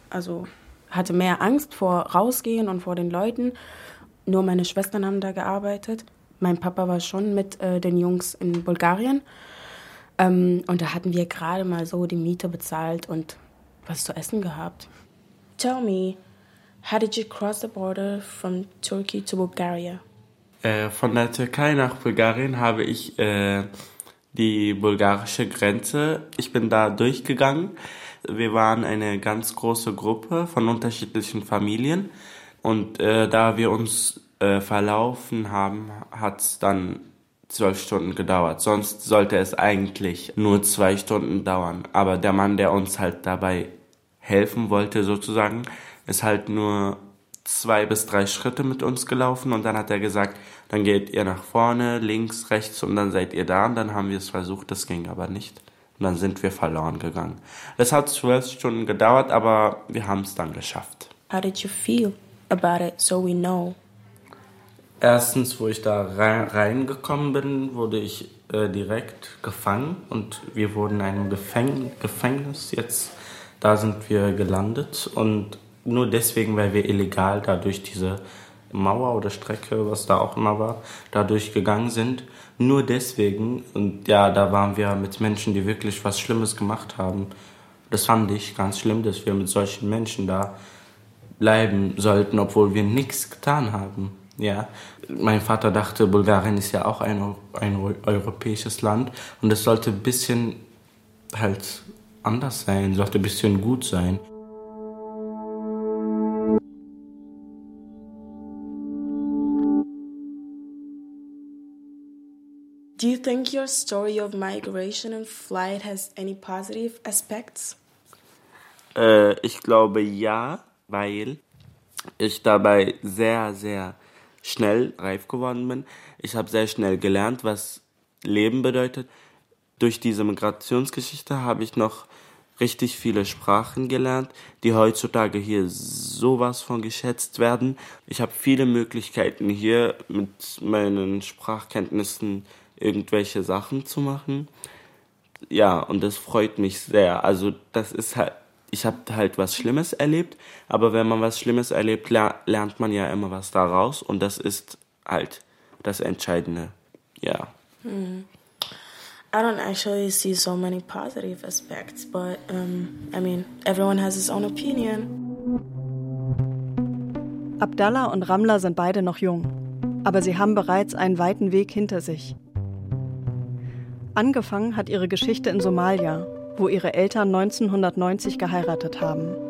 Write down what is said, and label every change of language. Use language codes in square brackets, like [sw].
[de] Also hatte mehr Angst vor rausgehen und vor den Leuten. Nur meine Schwestern haben da gearbeitet. Mein Papa war schon mit den Jungs in Bulgarien. Und da hatten wir gerade mal so die Miete bezahlt und was zu essen gehabt. [en] Tell me, how did you cross the border from Turkey to Bulgaria? [de] Von der Türkei nach Bulgarien habe ich die bulgarische Grenze. Ich bin da durchgegangen. Wir waren eine ganz große Gruppe von unterschiedlichen Familien. Und da wir uns verlaufen haben, hat es dann 12 Stunden gedauert. Sonst sollte es eigentlich nur 2 Stunden dauern. Aber der Mann, der uns halt dabei helfen wollte sozusagen, ist halt nur 2 bis 3 Schritte mit uns gelaufen und dann hat er gesagt, dann geht ihr nach vorne, links, rechts und dann seid ihr da und dann haben wir es versucht, das ging aber nicht und dann sind wir verloren gegangen. Es hat 12 Stunden gedauert, aber wir haben es dann geschafft. [en] How did you feel about it, so we know? [de] Erstens, wo ich da reingekommen bin, wurde ich direkt gefangen und wir wurden in einem Gefängnis jetzt, da sind wir gelandet und nur deswegen, weil wir illegal da durch diese Mauer oder Strecke, was da auch immer war, da durchgegangen sind. Nur deswegen, und ja, da waren wir mit Menschen, die wirklich was Schlimmes gemacht haben. Das fand ich ganz schlimm, dass wir mit solchen Menschen da bleiben sollten, obwohl wir nichts getan haben. Ja, mein Vater dachte, Bulgarien ist ja auch ein europäisches Land und es sollte ein bisschen halt anders sein, sollte ein bisschen gut sein. [en] Do you think your story of migration and flight has any positive aspects? [de] Ich glaube ja, weil ich dabei sehr, sehr schnell reif geworden bin. Ich habe sehr schnell gelernt, was Leben bedeutet. Durch diese Migrationsgeschichte habe ich noch richtig viele Sprachen gelernt, die heutzutage hier sowas von geschätzt werden. Ich habe viele Möglichkeiten hier mit meinen Sprachkenntnissen irgendwelche Sachen zu machen. Ja, und das freut mich sehr. Also das ist halt, ich habe halt was Schlimmes erlebt, aber wenn man was Schlimmes erlebt, lernt man ja immer was daraus und das ist halt das Entscheidende. Ja. [en] I don't actually see so many positive aspects, but I mean, everyone has his own opinion. [de] Abdallah und Ramla sind beide noch jung, aber sie haben bereits einen weiten Weg hinter sich. Angefangen hat ihre Geschichte in Somalia, wo ihre Eltern 1990 geheiratet haben.